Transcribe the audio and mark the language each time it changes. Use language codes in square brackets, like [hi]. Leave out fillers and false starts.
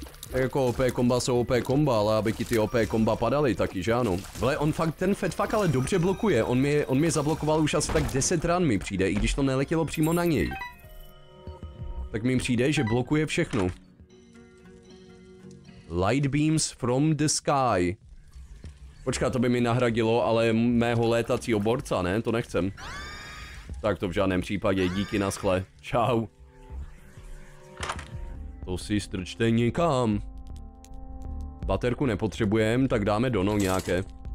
[cs] Tak jako OP komba jsou OP komba, ale aby ti ty OP komba padaly taky, že ano. Ale on fakt, ten Fed fakt ale dobře blokuje. On mě zablokoval už asi tak 10 ran mi přijde, i když to neletělo přímo na něj. Tak mi přijde, že blokuje všechno. [en] Light beams from the sky. [cs] Počká, to by mi nahradilo, ale mého létacího borca, ne? To nechcem. Tak to v žádném případě, díky, naschle. Čau. To si strčte někam. Baterku nepotřebujem, tak dáme dono nějaké.